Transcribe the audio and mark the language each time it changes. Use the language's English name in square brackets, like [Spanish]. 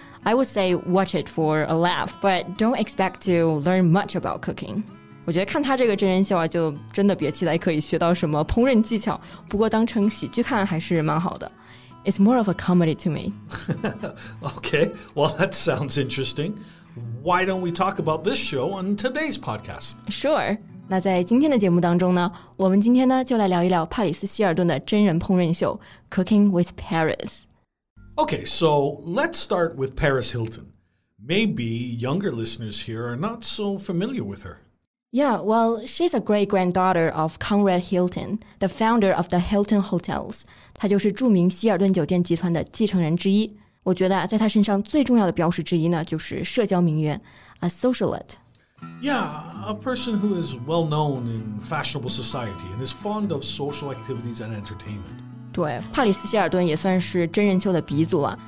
[English] I would say watch it for a laugh, but don't expect to learn much about cooking. [Chinese] 我觉得看她这个真人秀啊，就真的别期待可以学到什么烹饪技巧。不过当成喜剧看还是蛮好的。 [English] It's more of a comedy to me. Okay, well, that sounds interesting. Why don't we talk about this show on today's podcast? Sure. [Chinese] 那在今天的节目当中呢，我们今天呢就来聊一聊帕里斯希尔顿的真人烹饪秀 Cooking with Paris. [English] Okay, so let's start with Paris Hilton. Maybe younger listeners here are not so familiar with her. Yeah, well, she's a great-granddaughter of Conrad Hilton, the founder of the Hilton Hotels. [Chinese] 她就是著名希尔顿酒店集团的继承人之一。我觉得在她身上最重要的标识之一呢，就是社交名媛 a socialite. [English] Yeah, a person who is well-known in fashionable society and is fond of social activities and entertainment. [Chinese] 对，帕里斯希尔顿也算是真人秀的鼻祖了。